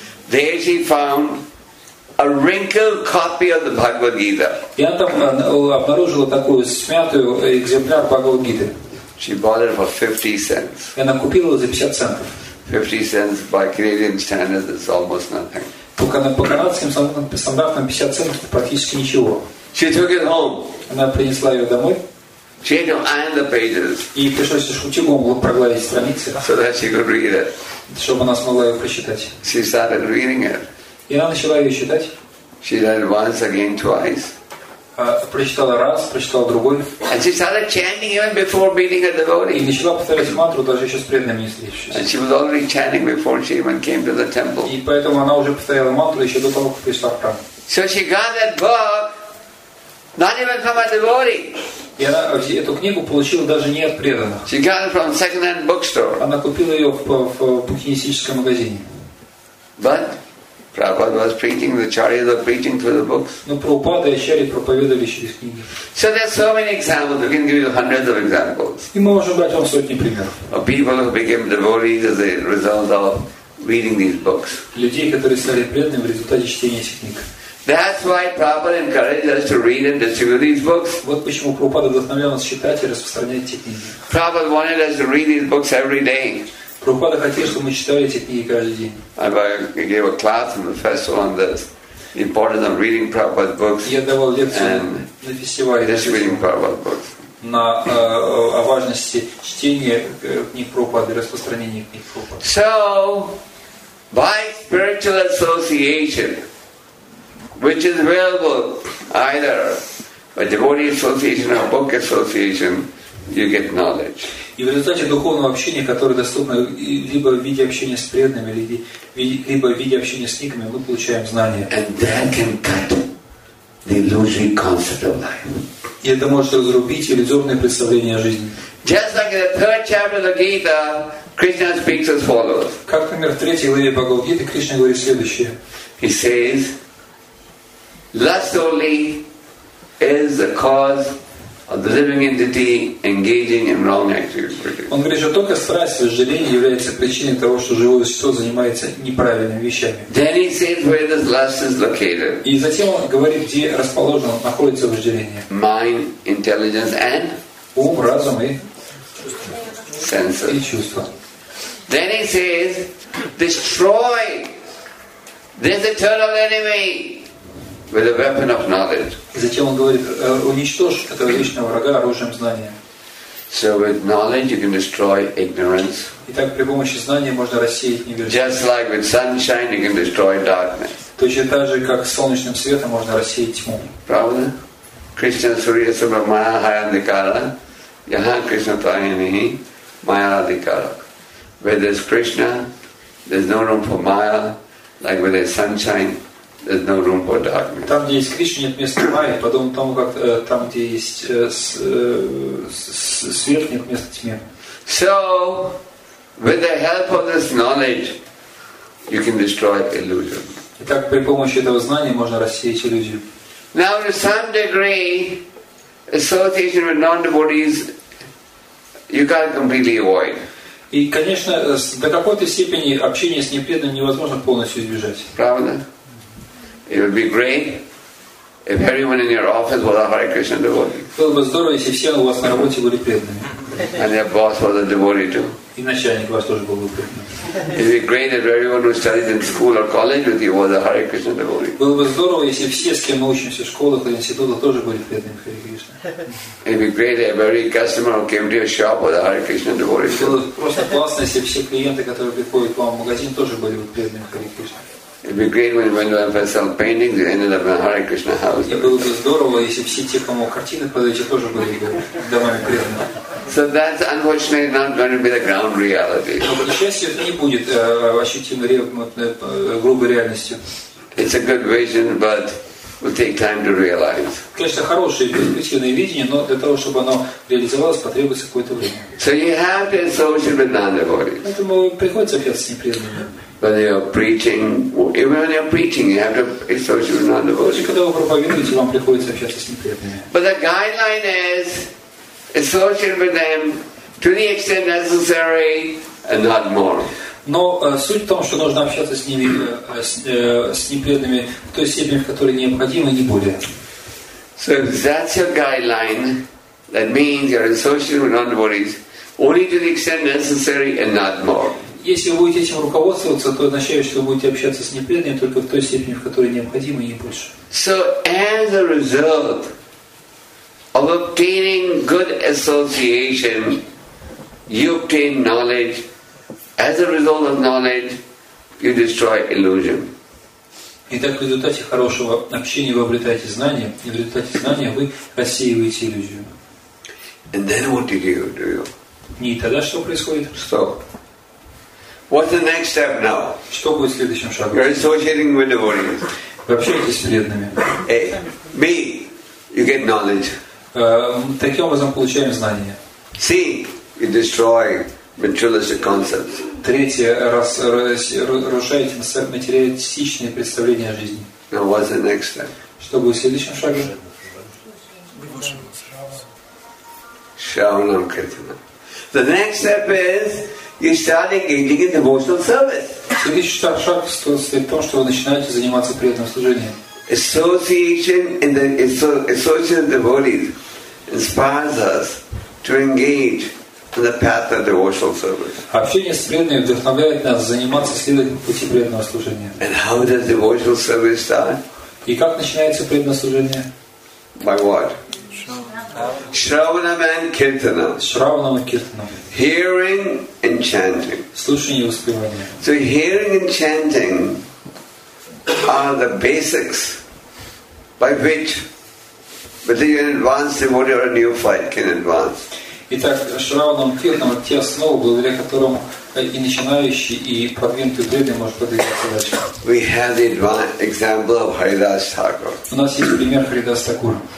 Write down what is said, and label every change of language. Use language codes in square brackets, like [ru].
[en] There she found a wrinkled copy of the Bhagavad Gita. [ru] И она там обнаружила такую смятую экземпляр Бхагавад Гиты. [en] She bought it for 50 cents. [ru] И она купила за 50 центов. [en] 50 cents by Canadian standards, it's almost nothing. [ru] По канадским стандартам 50 центов практически ничего. [en] She took it home. [ru] Она принесла ее домой. [en] She had to iron the pages. [ru] И пришлось утюгом прогладить страницы. [en] So that she could read it. [ru] Чтобы она смогла ее прочитать. [en] She started reading it. [ru] И она начала ее читать. [en] She read it once again, twice. [ru] Прочитала раз, прочитала другой. [en] And she started chanting even before meeting a devotee. [ru] И начала повторять мантру даже еще с преданными встречами. [en] And she was already chanting before she even came to the temple. [ru] И поэтому она уже повторяла мантру еще до того, как пришла в храм. [en] So she got that book, not even from a devotee. [ru] И она эту книгу получила даже не от преданных. [en] She got it from a second-hand bookstore. [ru] Она купила ее в букинистическом магазине. [en] But Prabhupada was preaching, the Acharyas were preaching through the books. [ru] Но Прабхупада и Ачарьи проповедовали через книги. [en] So there are so many examples. We can give you hundreds of examples. [ru] И мы можем дать вам сотни примеров. [en] Of people who became devotees as a result of reading these books. [ru] Людей, которые стали преданными в результате чтения этих книг. [en] That's why Prabhupada encouraged us to read and distribute these books. [ru] Вот почему Прабхупада вдохновлял нас читать и распространять эти книги. [en] Prabhupada wanted us to read these books every day. [ru] Прабхупада хотел, чтобы мы читали эти книги каждый день. [en] I gave a class on the festival on the importance of reading Prabhupada's books. [ru] Я давал лекцию на фестивале. [en] Distributing Prabhupada's books. [ru] На о важности чтения книг Прабхупады, распространения книг Прабхупады. [en] So, by spiritual association, which is available either a devotee association or a book association, you get knowledge. [ru] И в результате духовного общения, которое доступно либо в виде общения с преданными, либо в виде общения с книгами, мы получаем знания. [en] And that can cut the illusory concept of life. [ru] И это может разрубить иллюзорное представление о жизни. [en] Just like in the third chapter of the Gita, Krishna speaks as follows. [ru] Как, например, в третьей главе Бхагавад-гиты Кришна говорит следующее. [en] He says, lust only is the cause of the living entity engaging in wrong activities. [ru] Он говорит, что только страсть, вожделение является причиной того, что живое существо занимается неправильными вещами. [en] Then he says where this lust is located. [ru] И затем он говорит, где расположено, находится вожделение. [en] Mind, intelligence, and [ru] ум, разум и [en] senses. [ru] И чувства. [en] Then he says, destroy this eternal enemy with a weapon of knowledge. [ru] Затем он говорит, уничтожь этого вечного врага оружием знания. [en] So with knowledge you can destroy ignorance. [ru] Итак, при помощи знания можно рассеять невежество. [en] Just like with sunshine you can destroy darkness. [ru] Точно так же, как солнечным светом можно рассеять тьму. Правда? Krishna Surya Subramaya Hayandikara Yaha Krishna Tayanihi Maya Adhikara. [en] Where there's Krishna, there's no room for Maya. Like with a sunshine, there's no room for darkness. [ru] Там, где есть Кришна, нет места Майи. Потом тому, как там, где есть свет, нет места тьме. [en] So, with the help of this knowledge, you can destroy illusion. [ru] Итак, при помощи этого знания можно рассеять иллюзию. [en] Now, to some degree, association with non-devotees, you can't completely avoid. [ru] И, конечно, до какой-то степени общение с непреданным невозможно полностью избежать. Правда? [en] It would be great if everyone in your office was a Hare Krishna devotee. [ru] Было бы здорово, если все у вас на работе были преданными. [en] And your boss was a devotee too. [ru] И начальник у вас тоже был бы преданным. [en] It would be great if everyone who studied in school or college with you was a Hare Krishna devotee. [ru] Было бы здорово, если все, с кем мы учимся в школах или институтах, тоже были преданными Hare Krishna. [en] It would be great if every customer who came to your shop was a Hare Krishna devotee. [ru] Было бы просто классно, если все клиенты, которые приходят к вам в магазин, тоже были бы преданными Hare Krishna. [en] It'd be great when you went to sell paintings, you ended up in a Hare Krishna house. [ru] Я был бы здорово, если все те, кому картины продаете, тоже были бы домами преданными. [en] So that's unfortunately not going to be the ground reality. [ru] Но, к счастью, это не будет ощутимой грубой реальностью. [en] It's a good vision, but will take time to realize. [ru] Конечно, хорошее перспективное видение, но для того, чтобы оно реализовалось, потребуется какое-то время. [en] So you have to associate with non-devotees. [ru] Поэтому приходится общаться с непреданными. [en] When you're preaching, even when you're preaching, you have to associate with non-devotees. [ru] Когда вы проповедуете, вам приходится общаться с непреданными. [en] But the guideline is associate with them to the extent necessary and not more. [ru] Но суть в том, что нужно общаться с ними, с непреданными в той степени, в которой необходимо, не более. [en] So if that's your guideline, that means you're associating with non-devotees only to the extent necessary and not more. [ru] Если вы будете этим руководствоваться, то означает, что вы будете общаться с непреданными только в той степени, в которой необходимо, и не больше. [en] So as a result of obtaining good association, you obtain knowledge. As a result of knowledge, you destroy illusion. [ru] Итак, в результате хорошего общения вы обретаете знания, и в результате знания вы рассеиваете иллюзию. [en] And then what did you do? [ru] И тогда что происходит? [en] Stop. What's the next step now? [ru] Что будет следующим шагом? [en] You're associating with devotees. [ru] Вы общаетесь с преданными. [en] A. B. You get knowledge. [ru] Таким образом получаем знания. [en] C. You destroy materialistic concepts. [ru] Третье, разрушаете материалистичные представления о жизни. [en] Now what's the next step? [ru] Что будет следующим шагом? Шаванам Киртана. [en] The next step is you start engaging in devotional service. [ru] Следующий шаг состоит в том, что вы начинаете заниматься преданным служением. [en] Association in the association of devotees inspires us to engage in the path of devotional service. [ru] Общение с преданными вдохновляет нас заниматься следующим путем преданного служения. [en] And how does devotional service start? [ru] И как начинается преданное служение? [en] By what? Shravanam and Kirtana. Shravanam and Kirtana. Hearing and chanting. [ru] Слушание и воспевание. [en] So hearing and chanting are the basics by which whether you're an advanced devotee or a neophyte can advance. [ru] Итак, Shravanam Kirtanam те основы, благодаря которым и начинающий, и продвинутый преданный может продвигаться дальше. [en] We have the example of Haridas Thakur. [ru] У нас есть пример Haridas Thakur.